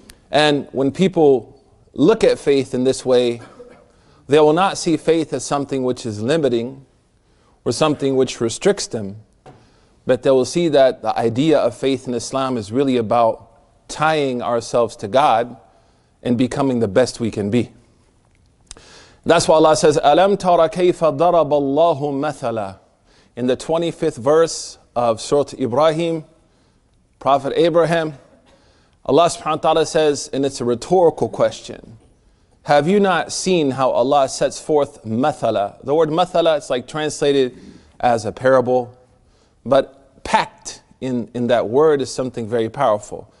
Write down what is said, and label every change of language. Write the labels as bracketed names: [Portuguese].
[English] And when people look at faith in this way, they will not see faith as something which is limiting or something which restricts them, but they will see that the idea of faith in Islam is really about tying ourselves to God and becoming the best we can be. That's why Allah says, [Arabic] أَلَمْ تَرَ كَيْفَ ضَرَبَ اللَّهُ مَثَلًا. [English] In the 25th verse of Surah Ibrahim, Prophet Abraham, Allah subhanahu wa ta'ala says, and it's a rhetorical question, have you not seen how Allah sets forth mathala? The word mathala, it's like translated as a parable, but packed in that word is something very powerful.